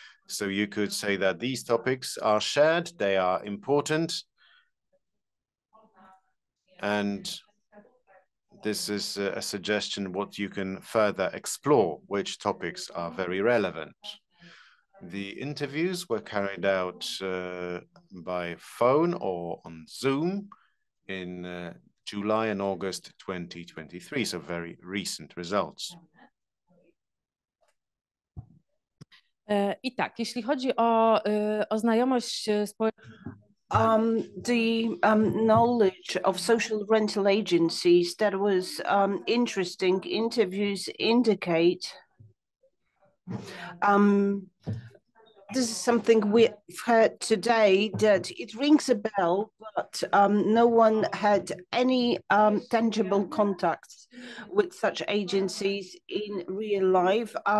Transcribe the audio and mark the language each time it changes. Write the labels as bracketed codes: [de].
[en] So you could say that these topics are shared, they are important, and this is a suggestion what you can further explore, which topics are very relevant. The interviews were carried out by phone or on Zoom in July and August 2023, so very recent results. [pl] I tak, jeśli chodzi o, o znajomość [en] Knowledge of social rental agencies, that was interesting. Interviews indicate this is something we've heard today, that it rings a bell, but no one had any tangible contacts with such agencies in real life.